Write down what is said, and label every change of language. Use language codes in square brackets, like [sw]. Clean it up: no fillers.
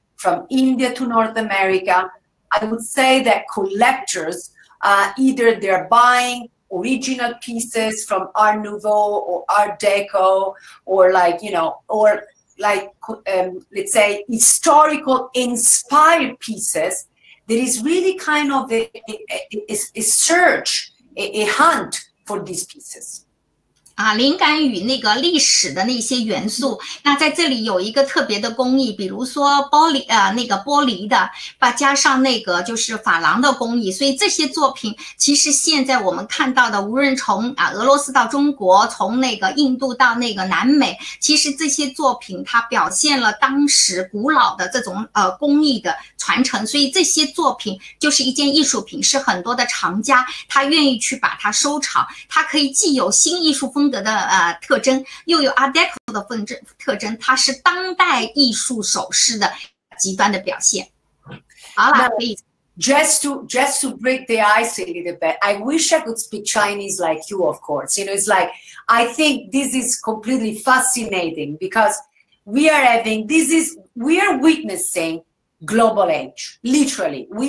[en] from India to North America. I would say that collectors, either they're buying original pieces from Art Nouveau or Art Deco, or like, you know, or like, let's say historical inspired pieces, there is really kind of a search, a hunt for these pieces. [zh] 啊，灵感与那个历史的那些元素，那在这里有一个特别的工艺，比如说玻璃，那个玻璃的，加上那个就是珐琅的工艺，所以这些作品其实现在我们看到的，无论从俄罗斯到中国，从那个印度到那个南美，其实这些作品它表现了当时古老的这种工艺的传承，所以这些作品就是一件艺术品，是很多的藏家他愿意去把它收藏，它可以既有新艺术风格的特征，又有 Art Deco 的特征，它是当代艺术首饰的极端的表现。好了，可以。 [en] Just to break the ice a little bit, I wish I could speak Chinese like you, of course. You know, it's like, I think this is completely fascinating because we are witnessing global age, literally.